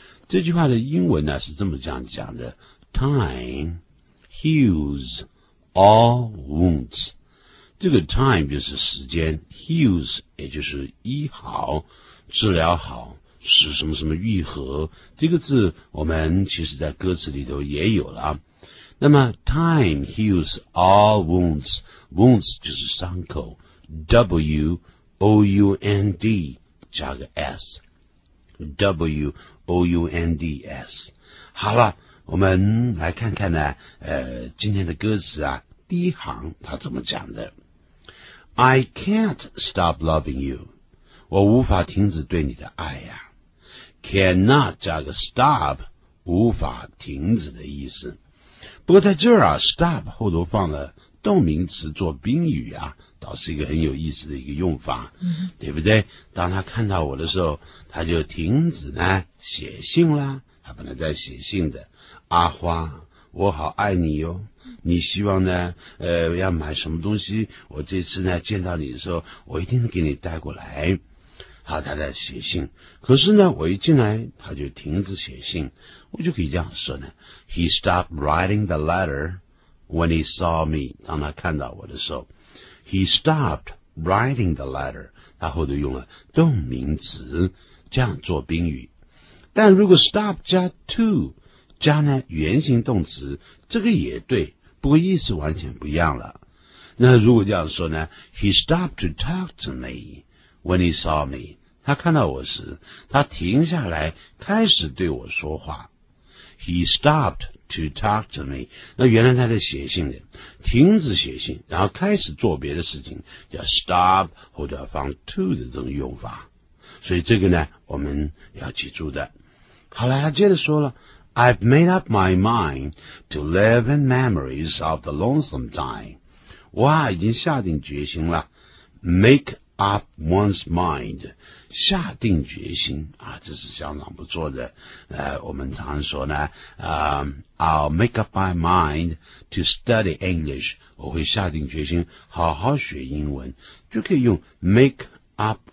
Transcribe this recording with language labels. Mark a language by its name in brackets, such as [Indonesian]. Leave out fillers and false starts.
[Chinese] 这句话的英文呢是这么这样讲的， [English] Time heals all wounds [Chinese] 这个 time 就是时间， heals 也就是医好、治疗好、使什么什么愈合，这个字我们其实在歌词里头也有了。那么 [English] time heals all wounds， [Chinese] wounds 就是伤口， W-O-U-N-D 加个 S， W-O-U-N-D-S。好了，我们来看看呢今天的歌词啊，第一行它怎么讲的。 [English] I can't stop loving you. [Chinese] 我无法停止对你的爱呀。Cannot 加个 stop， 无法停止的意思。不过在这儿啊 ，stop 后头放了动名词做宾语啊，倒是一个很有意思的一个用法，嗯、对不对？当他看到我的时候，他就停止呢写信啦，他本来在写信的，阿花，我好爱你哟。你希望呢？要买什么东西？我这次呢见到你的时候，我一定给你带过来。好，他在写信，可是呢，我一进来他就停止写信。我就可以这样说呢 [English] ：He stopped writing the letter when he saw me。 [Chinese] 当他看到我的时候 ， [English] He stopped writing the letter。 [Chinese] 他后头用了动名词，这样做宾语。但如果 stop 加 to 加呢原形动词，这个也对，不过意思完全不一样了。那如果这样说呢 [English] ？He stopped to talk to me when he saw me。 [Chinese] 他看到我时，他停下来开始对我说话。 [English] He stopped to talk to me。 [Chinese] 那原来他在写信的，停止写信，然后开始做别的事情，叫 stop 或者放 to 的这种用法。所以这个呢，我们要记住的。好了，他接着说了 [English] ，I've made up my mind to live in memories of the lonesome time。 [Chinese] 哇，已经下定决心了 ， [English] make up one's mind， [Chinese] 下定决心啊，这是相当不错的。我们常说呢， [English] I'll make up my mind to study English， [Chinese] 我会下定决心好好学英文，就可以用 make up。